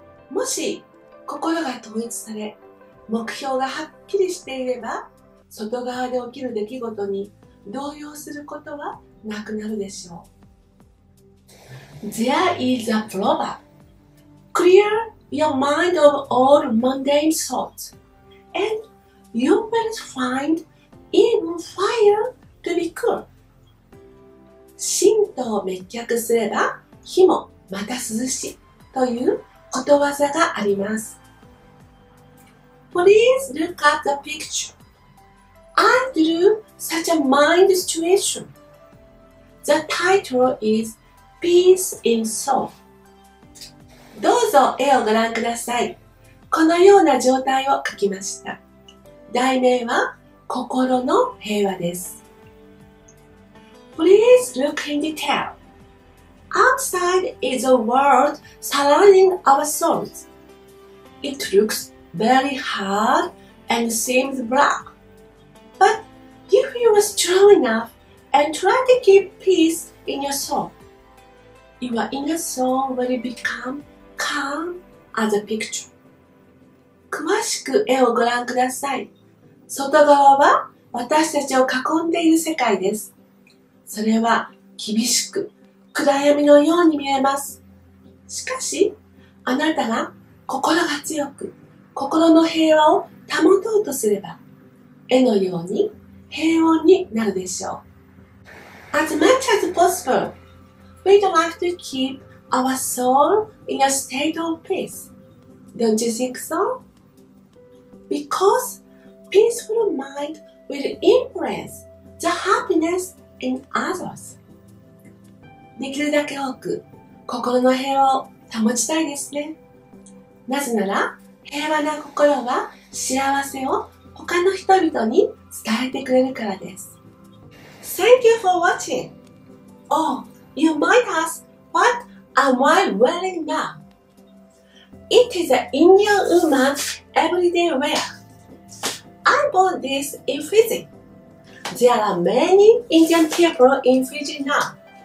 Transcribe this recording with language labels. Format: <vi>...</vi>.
<ja>もし心が統一され、目標がはっきりしていれば、外側で起きる出来事に動揺することはなくなるでしょう。</ja> <en>There is a proverb. Clear your mind of all mundane thoughts, and you will find even fire. To be cool.</en> <ja>神道を滅却すれば火もまた涼しということわざがあります。</ja> <en>Please look at the picture. I drew such a mind situation. The title is Peace in Soul.</en> <ja>どうぞ絵をご覧ください。このような状態を描きました。題名は心の平和です。</ja> <en>Please look in detail. Outside is a world surrounding our souls. It looks very hard and seems black. But if you are strong enough and try to keep peace in your soul, your inner soul will become calm as a picture.</en> <ja>詳しく絵をご覧ください。外側は私たちを囲んでいる世界です。それは厳しく暗闇のように見えます。しかし、あなたが心が強く心の平和を保とうとすれば、絵のように平穏になるでしょう。</ja> <en>As much as possible, we'd like to keep our soul in a state of peace. Don't you think so? Because peaceful mind will influence the happiness in others.</en> <ja>できるだけ多く心の平和を保ちたいですね。なぜなら平和な心は幸せを他の人々に伝えてくれるからです。</ja> <en>Thank you for watching. Oh, you might ask, what am I wearing now? It is an Indian woman's everyday wear. I bought this in Fiji. There are many Indian people in Fiji now.</en>